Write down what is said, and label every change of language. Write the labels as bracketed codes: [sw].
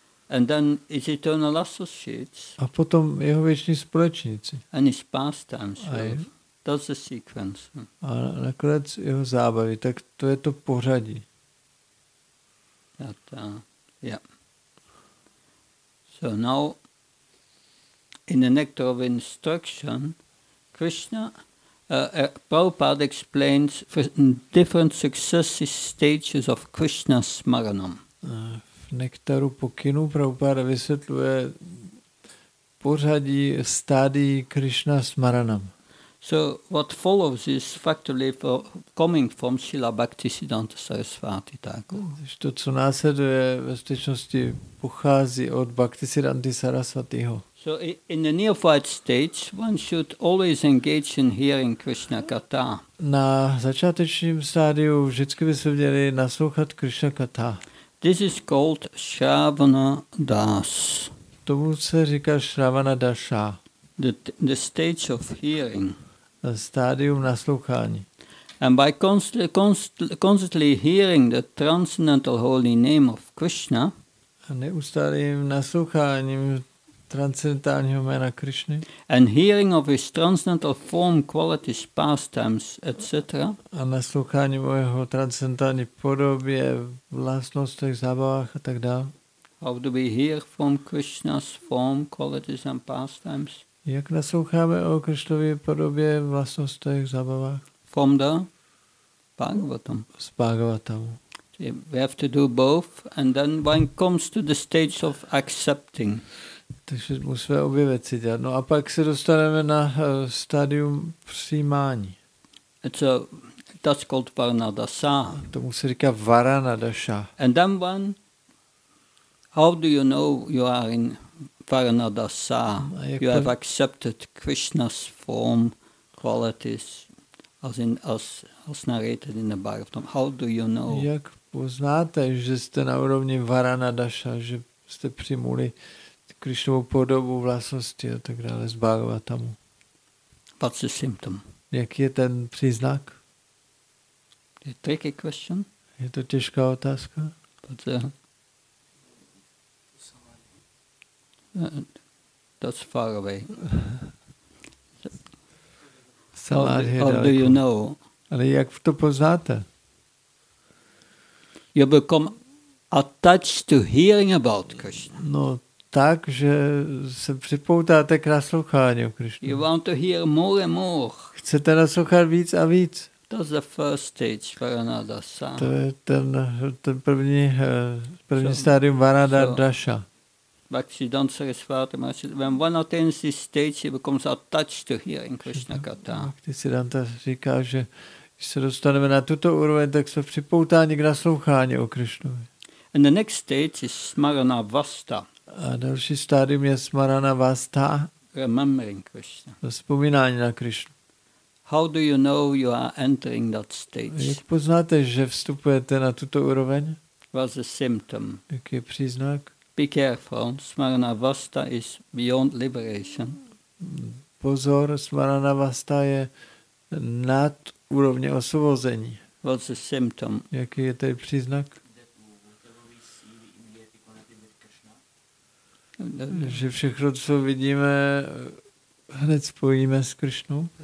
[en] And then his eternal associates. [cs] A potom jeho věční společníci. [en] And his pastimes. That's the sequence. [cs] A nakonec jeho zábavy. Tak to je to pořadí. [en] So now, in the Nectar of Instruction, Krishna, Prabhupada explains different successive stages of Krishna Smaranam. [cs] V Nektaru pokynu Prabhupada vysvětluje pořadí stádií Krishna Smaranam. [en] So what follows is factually coming from Srila Bhaktisiddhanta Sarasvati Thakur. [cs] To, co následuje ve skutečnosti, pochází od Bhaktisiddhanty Sarasvatiho. [en] So in the neophyte stage, one should always engage in hearing Krishna Katha. [cs] Na začátečním stádiu vždycky by se měli naslouchat Krishna Katha. [en] This is called Shravana Das. [cs] Tomu se říká Shravana Dasha. [en] The stage of hearing. [cs] Stádium naslouchání. [en] And by constantly hearing the transcendental holy name of Krishna. [cs] A neustálým nasloucháním transcendentálního jména Krishny. [en] And hearing of his transcendental form, qualities, pastimes, etc. [cs] A nasloucháním o jeho transcendentální podobě, vlastnostech, zábavách a tak dále. [en] How do we hear from Krishna's form, qualities and pastimes? [cs] Jak nasloucháme o Krištově podobě vlastnostech, zabavách? [en] From the Bhagavatam. [cs] Z Bhagavatamu. [en] We have to do both and then one comes to the stage of accepting. [cs] Takže musíme obě věci dělat. No a pak se dostaneme na stadium přijímání. [en] That's called Varanadasa. [cs] Tomu se říká Varanadasa. [en] And then one, how do you know you are in Varanadasa, you have accepted Krishna's form, qualities, as narrated in the Bhagavatam. How do you know? [cs] Jak poznáte, že jste na úrovni Varanadasa, že jste přijmuli Krišnovu podobu, vlastnosti a tak dále z Bhagavatamu? [en] What's the symptom? [cs] Jaký je ten příznak? [en] A tricky question. [cs] Je to těžká otázka? [en] That's far away. How do you know? [cs] Ale jak to poznáte? [en] You become attached to hearing about Krishna. [cs] No tak, že se připoutáte k naslouchání o Krishna. [en] You want to hear more and more. [cs] Chcete naslouchat víc a víc. [en] That's the first stage, Varanadasa. [cs] To je ten první stádium Varanadasa. [en] Bhaktisiddhanta Sarasvati Maharaj, when one attains this stage, he becomes attached to hearing Krishna Katha. [cs] Bhaktisiddhanta říká, že když se dostaneme na tuto úroveň, tak jsme připoutáni k naslouchání o Krishnovi. [en] And the next stage is Smarana Vasta. [cs] A další stádium je Smarana Vasta. [en] Remembering Krishna. [cs] Vzpomínání na Krishnu. [en] How do you know you are entering that stage? [cs] Jak poznáte, že vstupujete na tuto úroveň? [en] What's the symptom? [cs] Jaký je příznak? [en] Be careful, Smarana Vasta is beyond liberation. [cs] Pozor, Smarana Vasta je nad úrovně osvobození. [en] What's the symptom? [cs] Jaký je tady příznak? Že všechno, co vidíme, hned spojíme s Krišnou.